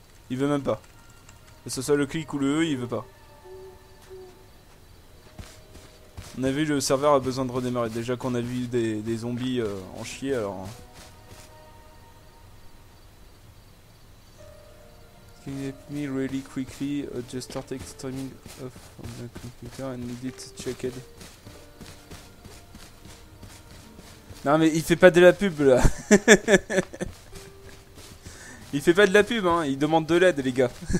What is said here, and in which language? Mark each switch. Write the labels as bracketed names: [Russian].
[French] Il veut même pas. Que ce soit le clic ou le « E », il veut pas. On a vu le serveur a besoin de redémarrer. Déjà qu'on a vu des zombies en chier, alors. [English] Can you help me really quickly? I just started streaming off on the computer and need it checked. [French] Non, mais il fait pas de la pub là. Il fait pas de la pub hein, il demande de l'aide, les gars.